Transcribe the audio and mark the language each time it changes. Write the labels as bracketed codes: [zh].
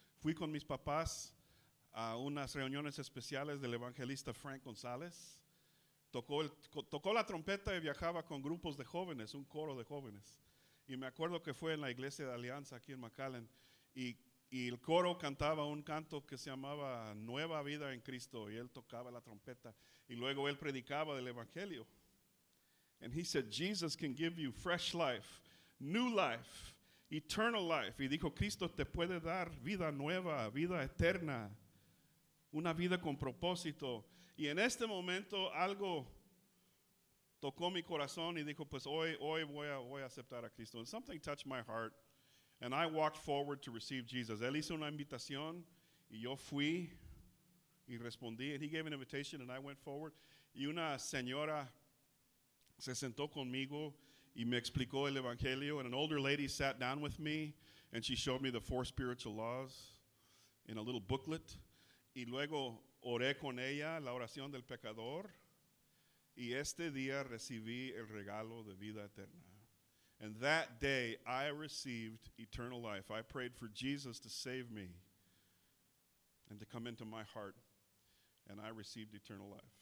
[es] Fui con mis papás a unas reuniones especiales del evangelista Frank Gonzalez. Tocó la trompeta y viajaba con grupos de jóvenes, un coro de jóvenes. Y me acuerdo que fue en la iglesia de Alianza aquí en McAllen. Y el coro cantaba un canto que se llamaba Nueva Vida en Cristo. Y él tocaba la trompeta. Y luego él predicaba del evangelio. [en] And he said, Jesus can give you fresh life. New life, eternal life. [es] Y dijo, Cristo te puede dar vida nueva, vida eterna, una vida con propósito. Y en este momento algo tocó mi corazón y dijo, pues hoy voy a aceptar a Cristo. [en] And something touched my heart, and I walked forward to receive Jesus. [es] Él hizo una invitación, y yo fui, y respondí. [en] And he gave an invitation, and I went forward. [es] Y una señora se sentó conmigo, y me explicó el evangelio, [en] and an older lady sat down with me, and she showed me the four spiritual laws in a little booklet. [es] Y luego oré con ella la oración del pecador, y este día recibí el regalo de vida eterna. [en] And that day I received eternal life. I prayed for Jesus to save me and to come into my heart, and I received eternal life.